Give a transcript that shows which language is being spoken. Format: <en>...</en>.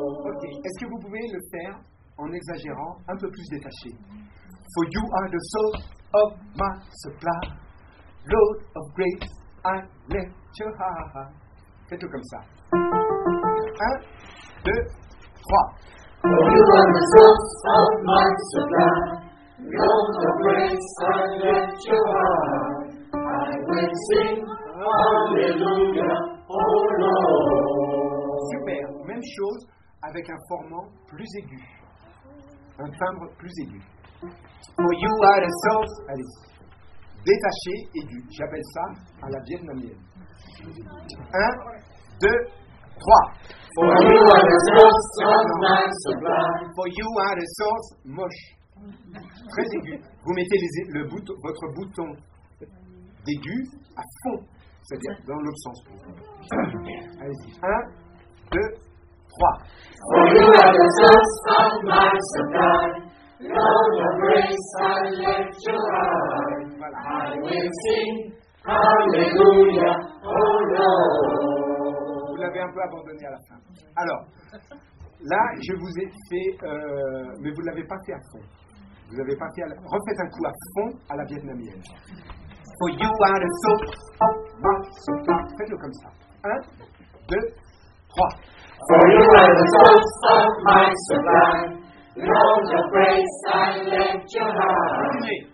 <fr>Ok, est-ce que vous pouvez le faire en exagérant, un peu plus détaché?</fr> <en>For you are the source of my supply. Lord of grace, I lift you high.</en> <fr>Faites-le comme ça. Un, deux, trois.</fr> <en>For you are the source of my supply. Lord of grace, I lift you high. I will sing hallelujah, oh Lord.</en> <fr>Super, même chose avec un formant plus aigu. Un timbre plus aigu.</fr> <en>For you are the source.</en> <fr>Allez, détaché, aigu. J'appelle ça à la vietnamienne. Un, deux, trois.</fr> <en>For you are the source of my supply. For you are the source, moche.</en> <fr>Très aigu. Vous mettez votre bouton d'aigu à fond, c'est-à-dire dans l'autre sens. Allez-y. Un, deux, trois.</fr> <en>For you are the source of my supply. Lord of grace, I lift you high.</en> <fr>Voilà.</fr> <en>I will sing hallelujah, oh Lord.</en> <fr>Vous l'avez un peu abandonné à la fin. Alors, là, je vous ai fait, mais vous ne l'avez pas fait à fond. Vous avez pas fait refaites un coup à fond à la vietnamienne.</fr> <en>For you are the source of my supply.</en> <fr>Faites-le comme ça. Un, deux, trois.</fr> <en>For you are the source of my supply. Lord of grace, I lift your high.</en>